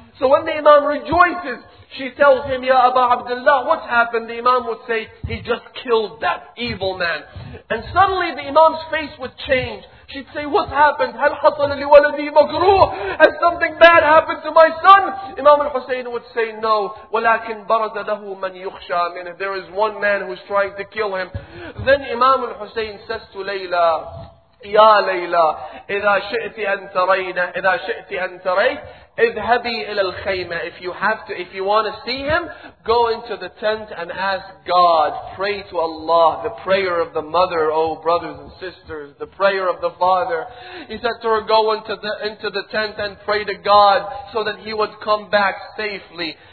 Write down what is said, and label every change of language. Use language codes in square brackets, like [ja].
[en] So when the Imam rejoices, she tells him, "Ya Aba Abdullah, what's happened?" The Imam would say, "He just killed that evil man." And suddenly the Imam's face would change. She'd say, "What's happened? [ar] هَلْ حَصَلَ لِوَلَدِي مَكْرُوهُ? [en] Has something bad happened to my son?" Imam al-Hussein would say, "No. [ar] وَلَكِنْ بَرَزَ لَهُ مَنْ يُخْشَى مِنْهُ." [en] There is one man who's trying to kill him. Then Imam al-Hussein says to Layla, "Ya Layla, [ar] إِذَا شِئْتِ أَن تَرَيْنَا, إِذَا شِئْتِ أَن تَرَيْنَا, اذهبي إلى الخيمة." [en] If you have to, if you want to see him, go into the tent and ask God. Pray to Allah, the prayer of the mother, oh brothers and sisters, the prayer of the father. He said to her, "Go into the tent and pray to God so that he would come back safely."